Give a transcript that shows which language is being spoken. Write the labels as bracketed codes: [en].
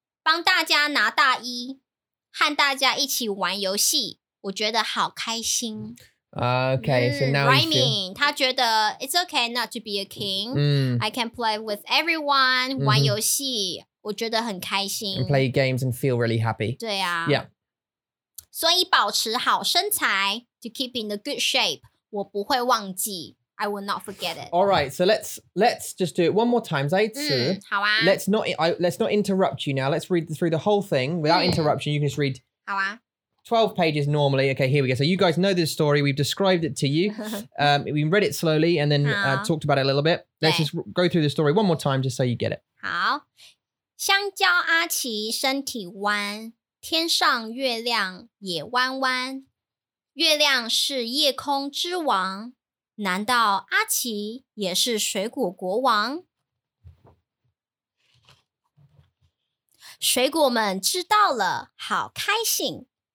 [zh] 帮大家拿大衣, 和大家一起玩游戏, 我觉得好开心。 [en] Okay, so now rhyming, he's feeling... [zh] 他觉得, [en] it's okay not to be a king. I can play with everyone, [zh] 玩游戏, 我觉得很开心, [en] and play games and feel really happy. [zh] 对啊, [en] yeah. [zh] 所以保持好身材, [en] to keep in the good shape, [zh] 我不会忘记, [en] I will not forget it. Alright, so let's just do it one more time. [zh] 再一次, 好啊, [en] let's not interrupt you now. Let's read through the whole thing without interruption. You can just read [zh] 好啊, [en] 12 pages normally. Okay, here we go. So you guys know this story. We've described it to you. We read it slowly and then talked about it a little bit. Let's just go through the story one more time just so you get it. [zh] 好。香蕉阿奇身体弯,天上月亮也弯弯。月亮是夜空之王,难道阿奇也是水果国王?水果们知道了,好开心。